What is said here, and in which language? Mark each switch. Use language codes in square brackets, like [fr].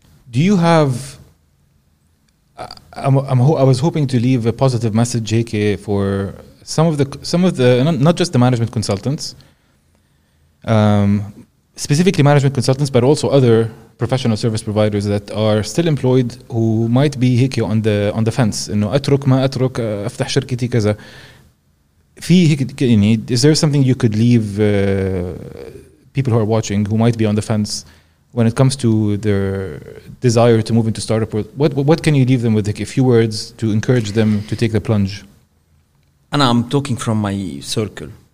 [en] Do you have I was hoping to leave a positive message, JK, for some of the not just the management consultants, specifically management consultants, but also other professional service providers that are still employed who might be hiki on the fence. [ar] أترك ما أترك أفتح شركتي كذا. [en] Is there something you could leave people who are watching who might be on the fence when it comes to their desire to move into startup? What can you leave them with, like, a few words to encourage them to take the plunge? And I'm talking from my circle.